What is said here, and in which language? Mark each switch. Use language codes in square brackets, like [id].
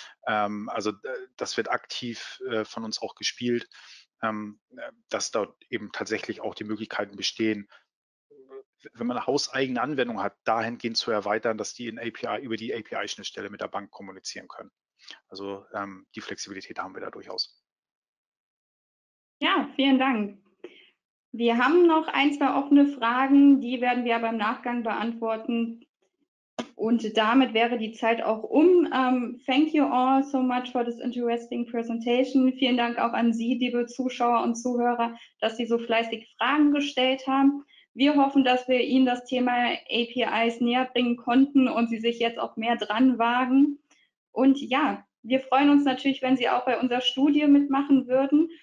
[de] Also das wird aktiv von uns auch gespielt, dass dort eben tatsächlich auch die Möglichkeiten bestehen, wenn man eine hauseigene Anwendung hat, dahingehend zu erweitern, dass die in API über die API-Schnittstelle mit der Bank kommunizieren können. Also die Flexibilität haben wir da durchaus. Ja, vielen Dank. Wir haben noch ein, zwei offene Fragen, die werden wir aber im Nachgang beantworten. Und damit wäre die Zeit auch um. [en] Thank you all so much for this interesting presentation. [de] Vielen Dank auch an Sie, liebe Zuschauer und Zuhörer, dass Sie so fleißig Fragen gestellt haben. Wir hoffen, dass wir Ihnen das Thema APIs näher bringen konnten und Sie sich jetzt auch mehr dran wagen. Und ja, wir freuen uns natürlich, wenn Sie auch bei unserer Studie mitmachen würden.